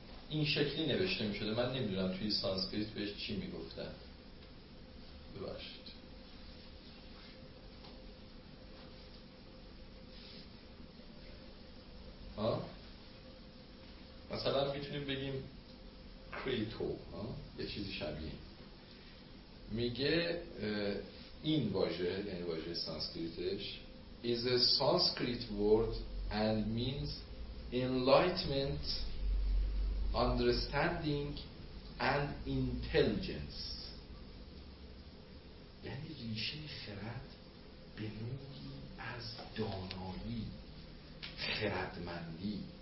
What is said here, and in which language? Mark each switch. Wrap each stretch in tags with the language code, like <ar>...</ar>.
<fa>این شکلی نوشته میشده، من نمیدونم توی سانسکریت بهش چی میگفتن. ببخشید مثلا میتونیم بگیم کریتو یه چیزی شبیه. میگه این واژه، یعنی واژه سانسکریتش،</fa> <en>is a Sanskrit word and means enlightenment, understanding and intelligence.</en> <fa>یعنی ریشه خرد به نوعی از دانایی، خردمندی.</fa>